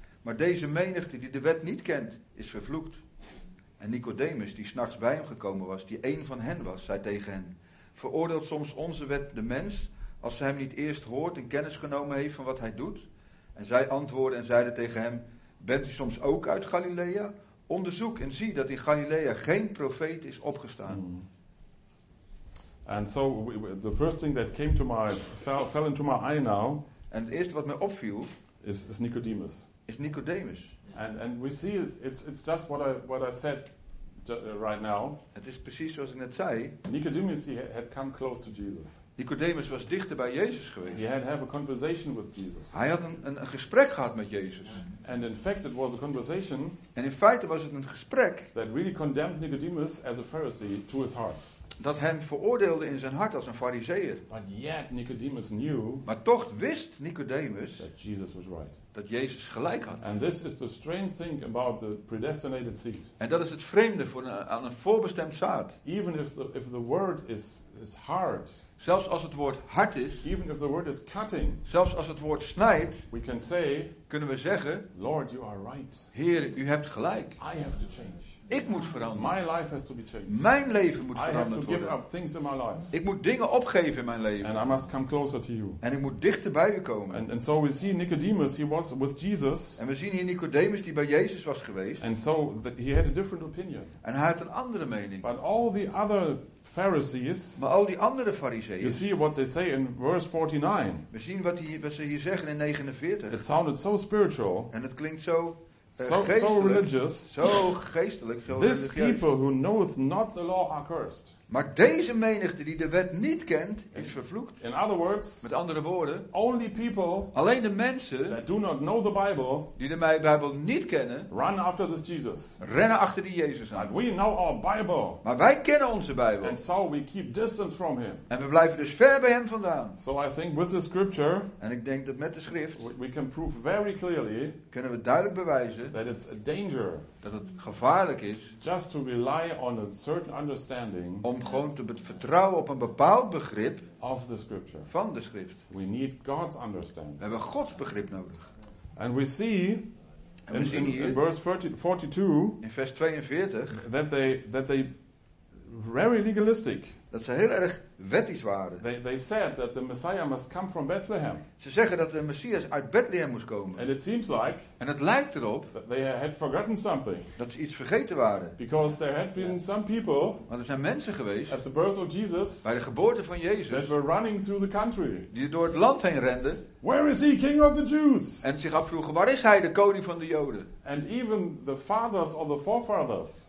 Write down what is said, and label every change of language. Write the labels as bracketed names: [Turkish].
[Dutch] Maar deze menigte die de wet niet kent, is vervloekt. En Nicodemus, die 's nachts bij hem gekomen was, die een van hen was, zei tegen hen: veroordeelt soms onze wet de mens als ze hem niet eerst hoort en kennis genomen heeft van wat hij doet? En zij antwoordden en zeiden tegen hem: bent u soms ook uit Galilea? Onderzoek en zie dat in Galilea geen profeet is opgestaan. [English] And so the first thing that came to my fell into my eye now. [Dutch] En het eerste wat mij opviel [English] is Nicodemus. [Dutch] Is Nicodemus. [English] And we see it's just what I said right now. [Dutch] Het is precies zoals ik net zei. [English] Nicodemus had come close to Jesus. [Dutch] Nicodemus was dichter bij Jezus geweest. [English] He had have a conversation with Jesus. [Dutch] Hij had een gesprek gehad met Jezus. [English] And in fact it was a conversation. [Dutch] En in feite was het een gesprek. [English] That really condemned Nicodemus as a Pharisee to his heart. [Dutch] Dat hem veroordeelde in zijn hart als een fariseer. [English] But yet Nicodemus knew. [Dutch] Maar toch wist Nicodemus. [English] That Jesus was right. [Dutch] Dat Jezus gelijk had. [English] And this is the strange thing about the predestinated seed. [Dutch] En dat is het vreemde aan een voorbestemd zaad. [English] Even if the word is hard. [Dutch] Zelfs als het woord hard is. [English] Even if the word is cutting. [Dutch] Zelfs als het woord snijdt. [English] We can say. [Dutch] Kunnen we zeggen: [English] Lord, you are right. [Dutch] Heer, u hebt gelijk. [English] I have to change. [Dutch] Ik moet veranderen. [English] My life has to be changed. [Dutch] Mijn leven moet veranderd worden. [English] I have to give up things in my life. [Dutch] Ik moet dingen opgeven in mijn leven. [English] And I must come closer to you. [Dutch] En ik moet dichter bij u komen. [English] And so we see Nicodemus, he was with Jesus. [Dutch] En we zien hier Nicodemus die bij Jezus was geweest. [English] And so he had a different opinion. [Dutch] En hij had een andere mening. [English] But all the other Pharisees. [Dutch] Maar al die andere fariseeën. [English] You see what they say in verse 49. [Dutch] We zien wat ze hier zeggen in 49. [English] It sounded so spiritual. [Dutch] En het klinkt zo. [English] So religious. [Dutch] Zo geestelijk. Zo [English] this people who knoweth not the law are cursed. [Dutch] Maar deze menigte die de wet niet kent, is vervloekt. [English] In other words, [Dutch] met andere woorden, [English] only people, [Dutch] alleen de mensen, [English] that do not know the Bible, [Dutch] die de Bijbel niet kennen, [English] run after this Jesus. [Dutch] Rennen achter die Jezus aan. [English] But we know our Bible. [Dutch] Maar wij kennen onze Bijbel. [English] And so we keep distance from him. [Dutch] En we blijven dus ver bij hem vandaan. [English] So I think with the scripture, [Dutch] en ik denk dat met de schrift, [English] we can prove very clearly, [Dutch] kunnen we duidelijk bewijzen, [English] that it's a danger, [Dutch] dat het gevaarlijk is, [English] just to rely on a certain understanding, [Dutch] om gewoon te vertrouwen op een bepaald begrip [English] of the scripture. [Dutch] Van de schrift. [English] We need God's understanding. [Dutch] We hebben Gods begrip nodig. [English] And we see in verse 42 [Dutch] in vers 42 [English] that they very legalistic. [Dutch] Dat ze heel erg wettisch waren. [English] They said that the Messiah must come from Bethlehem. [Dutch] Ze zeggen dat de Messias uit Bethlehem moest komen. [English] And it seems like, [Dutch] en het lijkt erop [English] they had forgotten something. [Dutch] Dat ze iets vergeten waren. [English] Because there had been some people, [Dutch] want er zijn mensen geweest [English] at the birth of Jesus, [Dutch] bij de geboorte van Jezus [English] that were running through the country. [Dutch] Die door het land heen renden. [English] Where is he, King of the Jews? [Dutch] En zich afvroegen, waar is hij, de koning van de Joden? [English] And even the fathers or the forefathers,